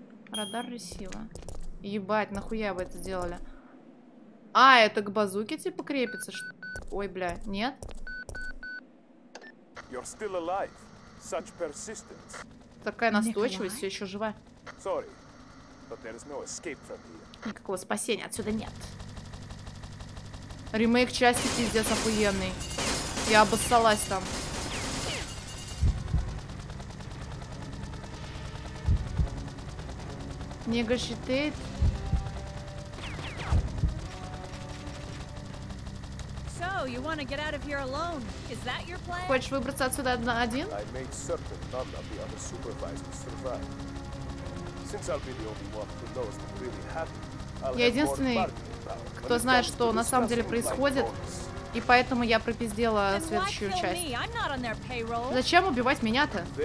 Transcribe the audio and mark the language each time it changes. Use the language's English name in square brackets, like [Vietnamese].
[Russian] Радар ресива. Ебать, нахуя вы это сделали? А, это к базуке типа крепится? Что... Ой, бля, нет? [English] You're still alive. Such persistence. [Russian] Такая настойчивость, все еще жива. [English] Sorry, but there is no escape from here. [Russian] Никакого спасения отсюда нет. Ремейк части пиздец охуенный. Я обоссалась там. Нега щитит. [English] So, you wanna get out of here alone? Is that your plan? [Russian] Хочешь выбраться отсюда на один? [English] I made certain none of the other supervisors survive. Since I'll be the only one who knows what really happened. [Russian] Я единственный, кто знает, что на самом деле происходит, и поэтому я пропиздела следующую часть. Зачем убивать меня-то?